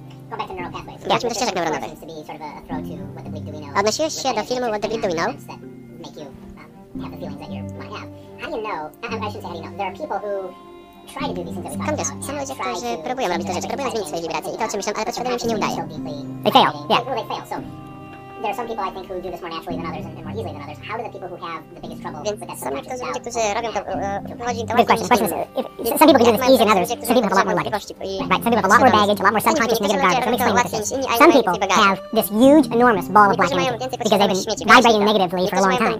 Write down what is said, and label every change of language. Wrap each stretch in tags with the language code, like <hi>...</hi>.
<en>Going back to neural pathways. Yeah. Just check neural pathways. Seems to be sort of a throw to what the bleep do we know. The film, what the bleep do we know? That make you have the feelings that you might have. How do you know? I shouldn't say how do you know. There are people who try to do these things that we talk about.</en> <pl>Są ludzie, którzy próbują robić te rzeczy. Próbują zmienić swoje wibracje. I to o czym myślą, ale podświadomie im się nie udaje.</pl> <en>They fail. Yeah. There are some people, I think, who do this more naturally than others and more easily than others. How do the people who have the biggest trouble with that sort of natural stuff? Good question. Some people can do this easier than others. Some people have a lot more luggage. Right. Some people have a lot more baggage, a lot more subconscious negative garbage. Let me explain what this is. Some people have this huge, enormous ball of black energy because they've been vibrating negatively for a long time.</en>